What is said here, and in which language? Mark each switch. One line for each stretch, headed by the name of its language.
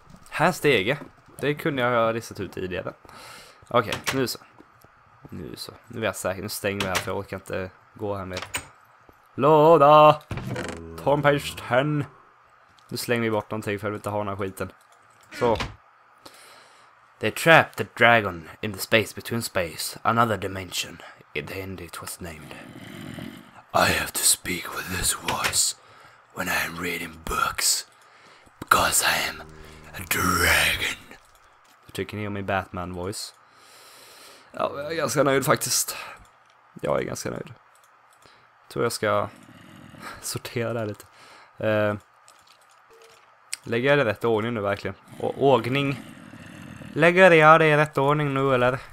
Swedish: Här stege. Det kunde jag ha listat ut tidigare. Okej, okay, nu så. Nu är jag säker. Nu stänger vi här för jag orkar inte gå här med. Låda!
English: Tomb page 10.
Swedish: Nu slänger vi bort någonting för att vi inte har den här skiten. Så.
English: They trapped the dragon in the space between space, another dimension. In the end it was named. I have to speak with this voice when I am reading books, because I am a dragon.
Swedish: Jag tycker ni om min Batman voice? Ja, jag är ganska nöjd faktiskt. Jag är ganska nöjd. Tror jag ska sortera det här lite. Lägger jag det i rätt ordning nu verkligen? Och ordning. Lägger jag det i rätt ordning nu eller?